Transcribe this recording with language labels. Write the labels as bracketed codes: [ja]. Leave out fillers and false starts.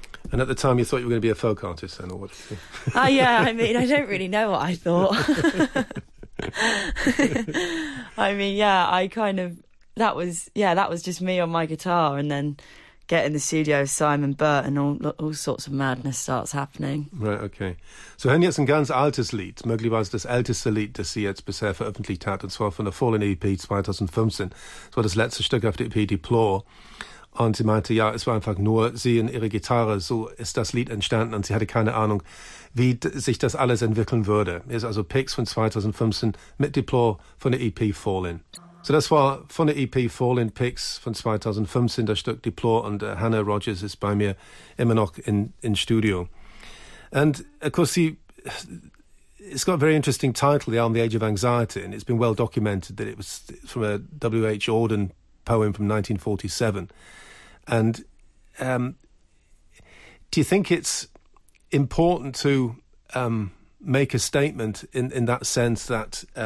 [en] And at the time you thought you were going to be a folk artist then, or what? Yeah, I mean, I don't really know what I thought. I mean, yeah, I kind of... That was just me on my guitar, and then get in the studio with Simon Burt, and all sorts of madness starts happening. Right, okay. [de] So, Hen jetzt ein ganz altes Lied, möglicherweise das älteste Lied, das sie jetzt bisher veröffentlicht hat, und zwar von der Fallen EP 2015. Das war das letzte Stück auf der EP Deplore. Und sie meinte, ja, es war einfach nur sie und ihre Gitarre, so ist das Lied entstanden, und sie hatte keine Ahnung, wie sich das alles entwickeln würde. Ist also Picks von 2015 mit Deplore von der EP Fallen. So das war von der EP Fallen Picks von 2015, das Stück Deplore, und Hannah Rogers ist bei mir immer noch in Studio. [en] And of course, it's got a very interesting title, The Arm, the Age of Anxiety, and it's been well documented that it was from a W.H. Auden poem from 1947. And do you think it's important to make a statement in that sense that...